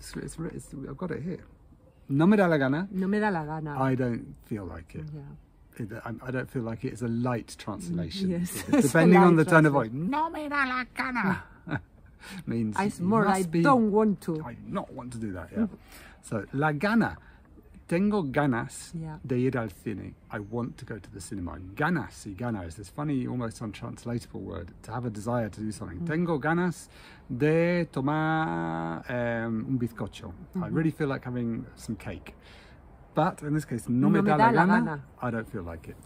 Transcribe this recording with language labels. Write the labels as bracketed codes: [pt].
[en] I've got it here. [es] No me da la gana. No me da la gana. [en] I don't feel like it. Yeah. I don't feel like it is a light translation. Yes. Depending on the tone of voice. [es] No me da la gana. [en] Means it's more must I be, don't want to. I not want to do that, yeah. [es] So, la gana. Tengo ganas de ir al cine. [en] I want to go to the cinema. Ganas y gana is this funny, almost untranslatable word. To have a desire to do something. Mm. [es] Tengo ganas de tomar un bizcocho. [en] Mm-hmm. I really feel like having some cake. But in this case, [es] no me da la gana. [en] I don't feel like it.